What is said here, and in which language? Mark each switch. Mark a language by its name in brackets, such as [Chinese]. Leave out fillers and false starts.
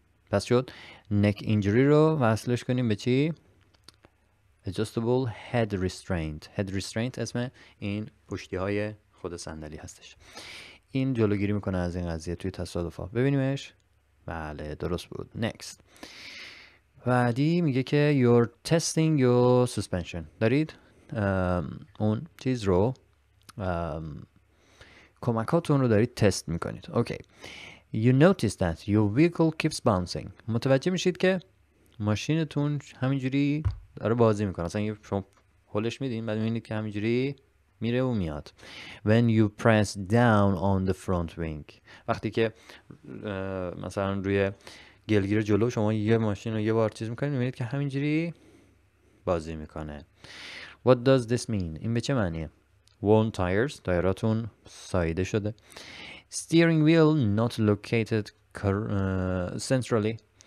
[Persian] پس شد neck injury رو وصلش کنیم به چی؟ adjustable head restraint. head restraint اسم این پشتی های خود صندلی هستش. این جلوگیری میکنه از این قضیه توی تصادف ها. ببینیمش. بله درست بود. next. بعدی میگه که [English] you're testing your suspension. [Persian] دارید اون چیز رو، کمکاتون رو دارید تست میکنید. اوکی. [English] You notice that your vehicle keeps bouncing. [Persian] متوجه میشید که ماشینتون همینجوری داره بازی میکنه. اصلا شما هولش میدین بعد میبینید که همینجوری میره و میاد. [English] When you press down on the front wing. [Persian] وقتی که مثلا روی گلگیر جلو شما یه ماشین رو یه بار چیز میکنید میبینید که همینجوری بازی میکنه. [English] What does this mean? [Persian] این به چه معنیه؟ [English] Worn tires. [Persian] تایراتون ساییده شده. [English] Steering wheel not located centrally.